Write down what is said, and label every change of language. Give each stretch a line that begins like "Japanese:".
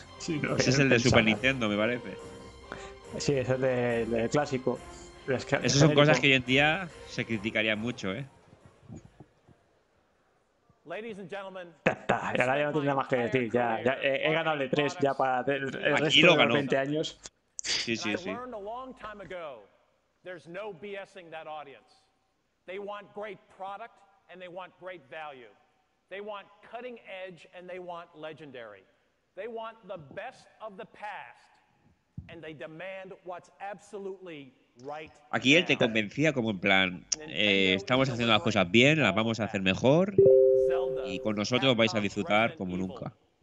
Spanish: Sí, no, ese es el de Super Nintendo, me parece. Sí, es el de clásico. Esas son cosas que hoy en día se criticarían mucho, ¿eh?
English: Ladies and gentlemen,
Spanish: ahora ya no tiene nada más que decir. Ya he ganado el E3 ya para el resto lo de los 20 años. Sí.
English: I learned a long time ago, there's no BSing that audience. They want great product and they want great value. They want cutting edge and they want legendary. They want the best of the past and they demand what's absolutely right.
Spanish: Aquí él te convencía como en plan, estamos haciendo las cosas bien, las vamos a hacer mejor. Y con nosotros vais a disfrutar como nunca.